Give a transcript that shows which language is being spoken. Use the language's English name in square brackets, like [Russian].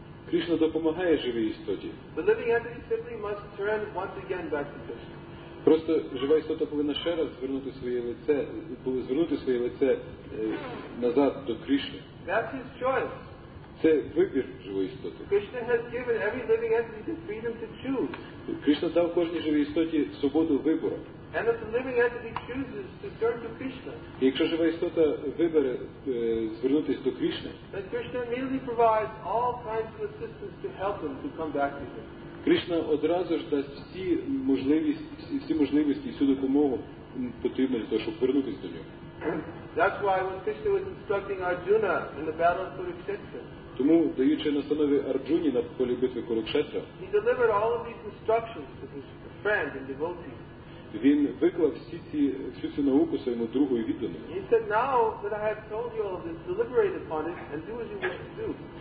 [Ukrainian] Кришна допомагає живій істоті. [English] The living entity simply must turn once again back to Krishna. [Ukrainian] Просто жива істота повинна ще раз звернути своє лице, назад до Кришни. [English] That's his choice. [Ukrainian] Це вибір живої істоти. [English] Krishna has given every living entity the freedom to choose. [Ukrainian] Кришна дав кожній живій істоті свободу вибору. [English] And if the living entity chooses to turn to Krishna, [Ukrainian] і якщо жива істота вибере звернутися до Кришни, [English] then Krishna immediately provides all kinds of assistance to help them to come back to him. [Ukrainian] Кришна одразу ж дасть всі можливості і всю допомогу потрібну для того, щоб повернутися до нього. [English] That's why when Krishna was instructing Arjuna in the battle of Kurukshetra, [Ukrainian] тому, даючи настанови Арджуні на полі битви Курукшетра, [English] he delivered all of these instructions to his friend and devotee. [Ukrainian] Він виклав всю цю науку своєму другу і відданому. [English] He said, now that I have told you all of this, deliberate upon it and do as you wish to do.